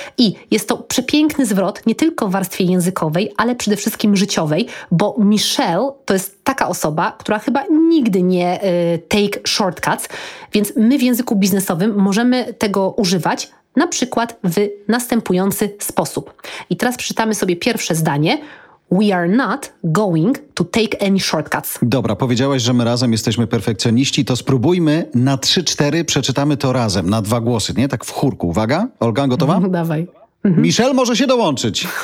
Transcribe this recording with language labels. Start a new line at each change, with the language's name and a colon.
Polish: I jest to przepiękny zwrot nie tylko w warstwie językowej, ale przede wszystkim życiowej, bo Michelle to jest taka osoba, która chyba nigdy nie
English: take shortcuts,
Polish: więc my w języku biznesowym możemy tego używać na przykład w następujący sposób. I teraz przeczytamy sobie pierwsze zdanie.
English: We are not going to take any shortcuts.
Polish: Dobra, powiedziałaś, że my razem jesteśmy perfekcjoniści, to spróbujmy na 3-4 przeczytamy to razem, na dwa głosy, nie? Tak w chórku. Uwaga, Olga, gotowa? Dawaj. Michelle może się dołączyć.